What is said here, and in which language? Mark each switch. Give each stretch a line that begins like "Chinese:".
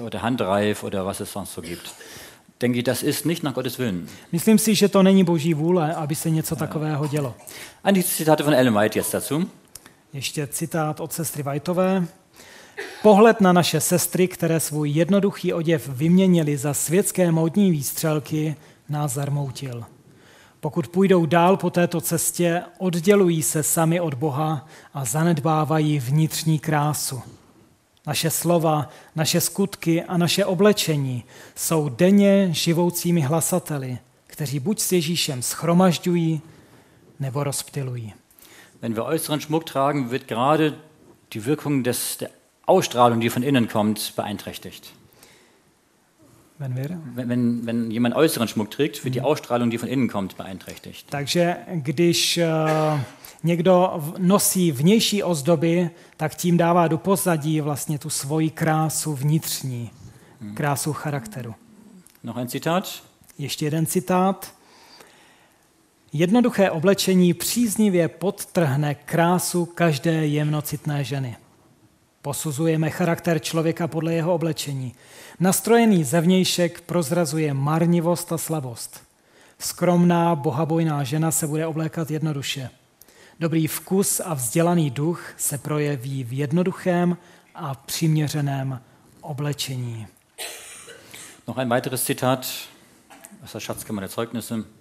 German: Oder Handreif oder was es sonst so gibt. Denke ich, das ist nicht nach Gottes Willen.
Czech: Myslím si, že to není Boží vůle, aby se něco takového dělo.
German: Ein Zitat von Ellen White jetzt dazu.
Czech: Ještě citát od sestry Whiteové. Pohled na naše sestry, které svůj jednoduchý oděv vyměnili za světské módní výstřelky, nás zarmoutil. Pokud půjdou dál po této cestě, oddělují se sami od Boha a zanedbávají vnitřní krásu. Naše slova, naše skutky a naše oblečení jsou denně živoucími hlasateli, kteří buď s Ježíšem schromažďují, nebo rozptilují.
German: Wenn wir äußeren Schmuck tragen, wird gerade die Wirkung des Ausstrahlung, die von innen kommt, beeinträchtigt. Wenn jemand äußeren Schmuck trägt, wird die Ausstrahlung, die von innen kommt, beeinträchtigt.
Czech: Takže když někdo nosí vnější ozdoby, tak tím dává do pozadí vlastně tu svoji krásu vnitřní, krásu charakteru.
German: Noch ein Zitat.
Czech: Ještě jeden citát. Jednoduché oblečení příznivě podtrhne krásu každé jemnocitné ženy. Posuzujeme charakter člověka podle jeho oblečení. Nastrojený zevnějšek prozrazuje marnivost a slabost. Skromná, bohabojná žena se bude oblékat jednoduše. Dobrý vkus a vzdělaný duch se projeví v jednoduchém a přiměřeném oblečení.
German: Noch ein weiteres Zitat aus der Schatzkammer der Zeugnisse.